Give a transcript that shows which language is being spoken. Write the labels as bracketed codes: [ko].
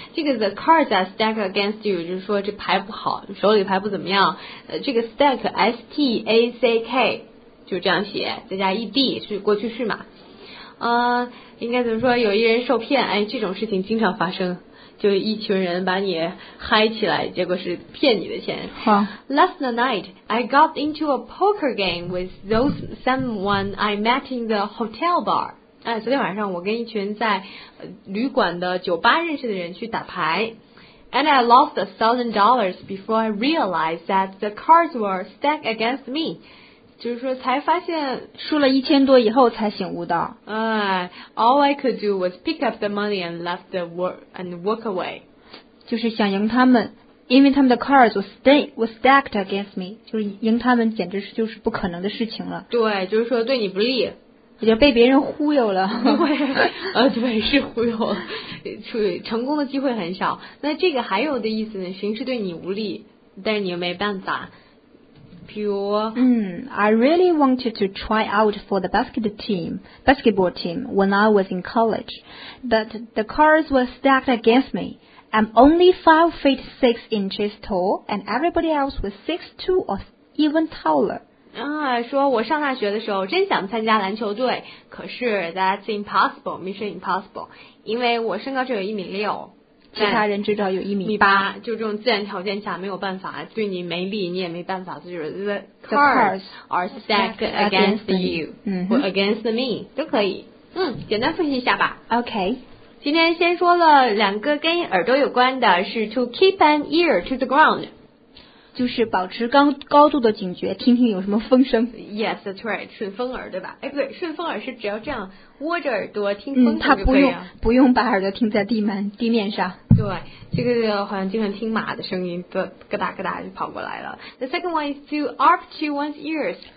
[zh] 这个 [en] the cards are stacked against you， [zh] 就是说这牌不好，手里牌不怎么样。这个 stack s t a c k 就这样写，再加 ed 是过去式嘛。应该怎么说？有一人受骗，哎，这种事情经常发生。就一群人把你嗨起来，结果是骗你的钱。 [en] Last night, I got into a poker game with those someone I met in the hotel bar. [zh] 哎，昨天晚上我跟一群在旅馆的酒吧认识的人去打牌。 [en] And I lost $1,000 before I realized that the cards were stacked against me. [zh] 就是说才发现输了1000多以后才醒悟到。 [en] All I could do was pick up the money and left the work and walk away. [zh] 就是想赢他们，因为他们的 [en] cards was stacked against me. [zh] 就是赢他们简直是就是不可能的事情了。对，就是说对你不利。我就被别人忽悠了。对，是忽悠了。成功的机会很少。那这个还有的意思呢，形势对你无利，但是你又没办法。 [en] I really wanted to try out for the basketball team when I was in college, but the cards were stacked against me. I'm only 5'6" tall, and everybody else was 6'2" or even taller. [zh] 说我上大学的时候真想参加篮球队，可是 [en] that's impossible, mission impossible, [zh] 因为我身高只有1.6米。其他人至少有1.8米，就这种自然条件下没有办法，对你没利，你也没办法，就是 [en] the cards are stacked against you or against me [zh] 都可以。嗯，简单复习一下吧。 [en] OK， [zh] 今天先说了两个跟耳朵有关的，是 [en] to keep an ear to the ground， [zh] 就是保持高度的警觉，听听有什么风声。 [en] Yes, that's right， [zh] 顺风耳对吧？哎，不对，顺风耳是只要这样窝着耳朵听风声就可以。嗯，他不用把耳朵听在地面上。对，这个好像经常听马的声音，咯咯哒咯哒就跑过来了。 [en] The second one is to up to one's ears.